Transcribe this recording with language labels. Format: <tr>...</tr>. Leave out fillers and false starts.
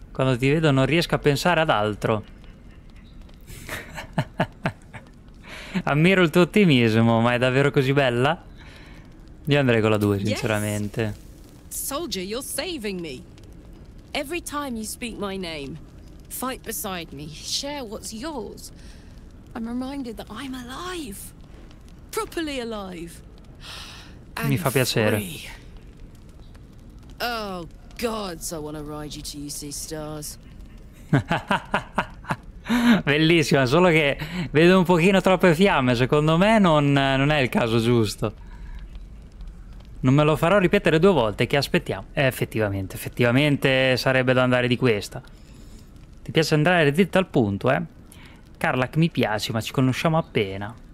<it>Quando ti vedo non riesco a pensare ad altro. Ammiro il tuo ottimismo, ma è davvero così bella? Io andrei con la 2, sinceramente.</it> <en>Yes. Soldier, you're saving me. Every time you speak my name, fight beside me, share what's yours. I'm reminded that I'm alive. Properly alive.</en> <it>Mi fa piacere.</it> <en>Oh gods, I want to ride you to UC stars.</en> <it>Bellissima, solo che vedo un pochino troppe fiamme, secondo me non è il caso giusto. Non me lo farò ripetere due volte, che aspettiamo. Effettivamente sarebbe da andare di questa. Ti piace andare dritto al punto, eh? Karlach, mi piace, ma ci conosciamo appena.</it>